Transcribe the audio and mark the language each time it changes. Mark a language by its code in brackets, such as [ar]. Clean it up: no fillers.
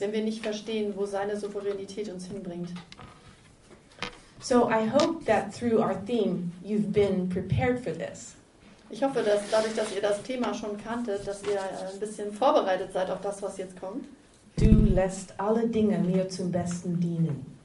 [de] Wenn wir nicht verstehen, wo seine Souveränität uns hinbringt. [en] So I hope that through our theme you've been prepared for this. [de] Ich hoffe, dass dadurch, dass ihr das Thema schon kanntet, dass ihr ein bisschen vorbereitet seid auf das, was jetzt kommt. Du lässt alle Dinge mir zum Besten dienen.